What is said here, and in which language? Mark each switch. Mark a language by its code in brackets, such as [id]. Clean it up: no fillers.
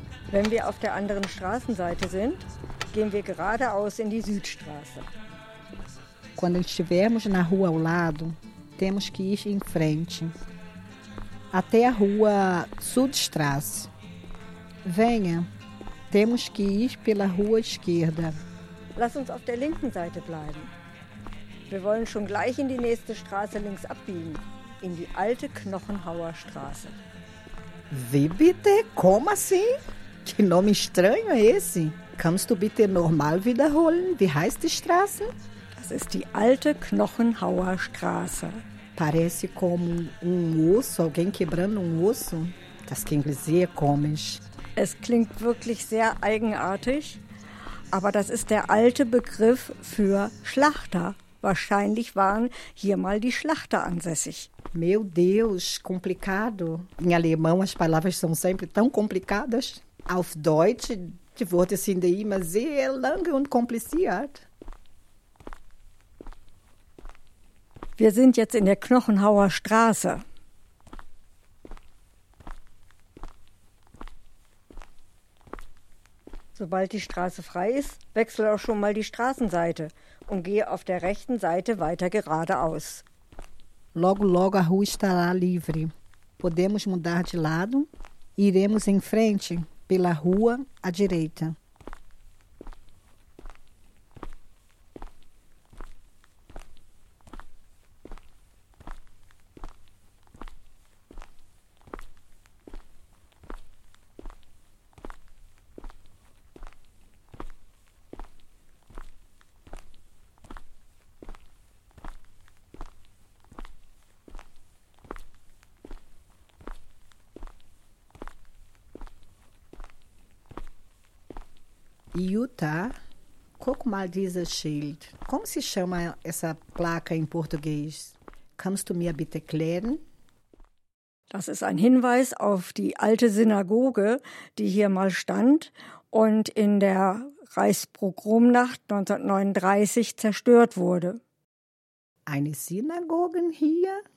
[de] Wenn wir auf der anderen Straßenseite sind, gehen wir geradeaus in die Südstraße. [pt] Quando estivermos na rua ao lado, temos que ir em frente até a rua Sudstrasse. Venha, temos que ir pela rua esquerda. [de] Lass uns auf der linken Seite bleiben. Wir wollen schon gleich in die nächste Straße links abbiegen, in die alte Knochenhauer Straße. Wie bitte? [pt] Como assim? Que nome estranho é esse? [de] Kannst du bitte normal wiederholen? Wie heißt die Straße? Das ist die alte Knochenhauer Straße. [pt] Parece como um osso, alguém quebrando um osso. [de] Das klingt sehr komisch. Es klingt wirklich sehr eigenartig, aber das ist der alte Begriff für Schlachter. Wahrscheinlich waren hier mal die Schlachter ansässig. [pt] Meu Deus, complicado. Em alemão as palavras são sempre tão complicadas. [de] Auf Deutsch wurde es in der immer sehr lange und kompliziert. Wir sind jetzt in der Knochenhauer Straße. Sobald die Straße frei ist, wechsle auch schon mal die Straßenseite und gehe auf der rechten Seite weiter geradeaus. [pt] Logo, logo a rua estará livre. Podemos mudar de lado. Iremos em frente pela rua à direita. [de] Jutta, guck mal dieses Schild. [pt] Como se chama essa placa em português? [de] Kannst du mir bitte klären? Das ist ein Hinweis auf die alte Synagoge, die hier mal stand und in der Reichspogromnacht 1939 zerstört wurde. Eine Synagoge hier?